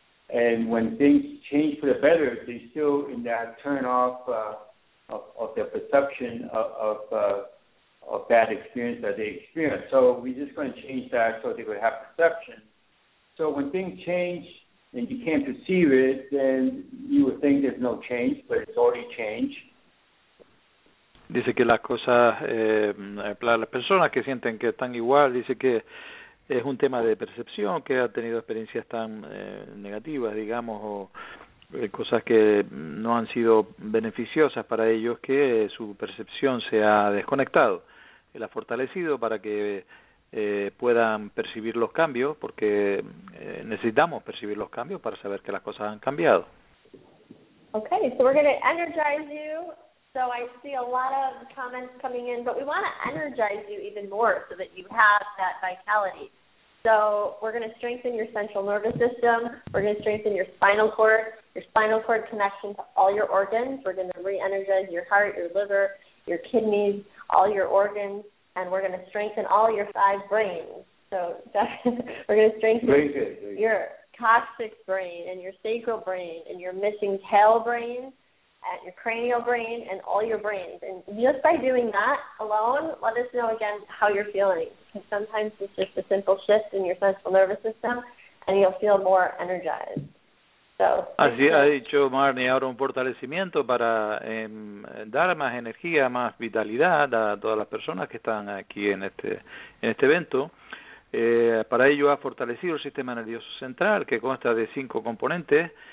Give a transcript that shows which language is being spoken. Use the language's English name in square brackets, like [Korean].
[English] And when things change for the better, they're still in that turn off of their perception of bad experience that they experienced. So we're just going to change that so they would have perception. So when things change and you can't perceive it, then you would think there's no change, but it's already changed. [Spanish] Dice que las cosas, las personas que sienten que están igual, dice que es un tema de percepción, que ha tenido experiencias tan negativas, digamos, o cosas que no han sido beneficiosas para ellos, que su percepción se ha desconectado. Él ha fortalecido para que puedan percibir los cambios, porque necesitamos percibir los cambios para saber que las cosas han cambiado. [English] Okay, so we're going to energize you. So I see a lot of comments coming in, but we want to energize you even more so that you have that vitality. So we're going to strengthen your central nervous system. We're going to strengthen your spinal cord. Your spinal cord connection to all your organs. We're going to re-energize your heart, your liver, your kidneys, all your organs, and we're going to strengthen all your five brains. So we're going to strengthen your coccyx brain and your sacral brain and your missing tail brain and your cranial brain and all your brains. And just by doing that alone, let us know again how you're feeling, because sometimes it's just a simple shift in your central nervous system and you'll feel more energized. [Spanish] Así ha dicho Marnie, ahora un fortalecimiento para dar más energía, más vitalidad a todas las personas que están aquí en este evento. Para ello ha fortalecido el sistema nervioso central, que consta de cinco componentes.